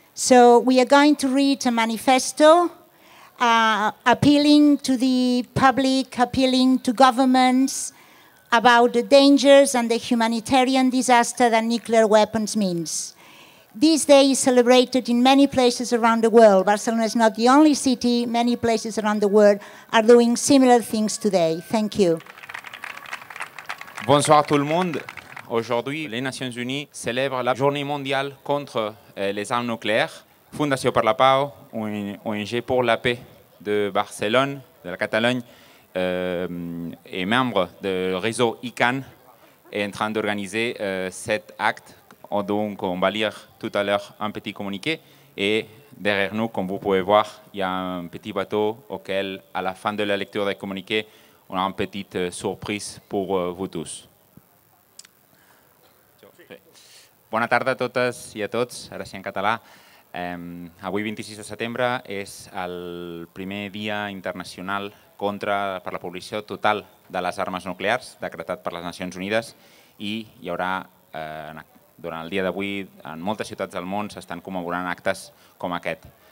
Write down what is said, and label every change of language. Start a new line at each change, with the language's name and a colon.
English: So we are going to read a manifesto appealing to the public, appealing to governments about the dangers and the humanitarian disaster that nuclear weapons means. This day is celebrated in many places around the world. Barcelona is not the only city. Many places around the world are doing similar things today. Thank you.
French: Bonsoir tout le monde. Aujourd'hui, les Nations Unies célèbrent la Journée mondiale contre les armes nucléaires. Fundació per la Pau, ONG pour la paix de Barcelone, de la Catalogne, est membre du réseau ICANN, est en train d'organiser cet acte. Donc, on va lire tout à l'heure un petit communiqué. Et derrière nous, comme vous pouvez voir, il y a un petit bateau auquel, à la fin de la lecture des communiqués, on a une petite surprise pour vous tous.
Catalan: Bona tarda a totes i a tots, ara sí en català. Avui, 26 de setembre, és el primer dia internacional contra per la prohibició total de les armes nuclears, decretat per les Nacions Unides, i hi haurà, durant el dia d'avui, en moltes ciutats del món s'estan commemorant actes com aquest.